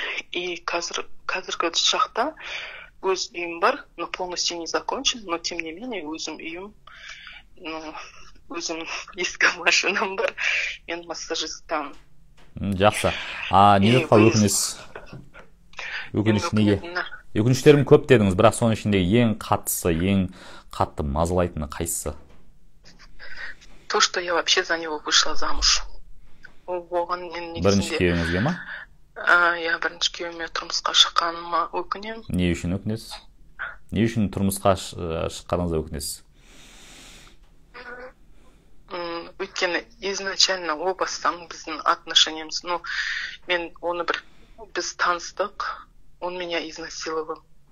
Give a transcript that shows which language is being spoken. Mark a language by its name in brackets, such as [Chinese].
[Kazakh] И қазіргі шақта өз үйім бар, [Russian] но полностью не закончен, но тем не менее [Kazakh] өзім үйім, өзім ескі машинам бар, мен массажистам. Жақсы. Не деп қалды өкініш? Өкініш неге? Өкінішімді. Өкініштерім көп дедіңіз, бірақ соның ішінде ең қаттысы, ең қатты мазалайтыны қайсысы? [Russian] То, что я вообще за него вышла замуж. [Kazakh] Оған мен Бірінші күйеуіңізге ма? Я бірінші күйеуіме тұрмысқа шыққаныма өкінемін. Не үшін өкінесіз? Не үшін тұрмысқа шыққаныңызға өкінесіз? Өйткені изначально о бастан біздің отношениеміз, ну мен оны бір біз таныстық, [Russian] он меня изнасиловал.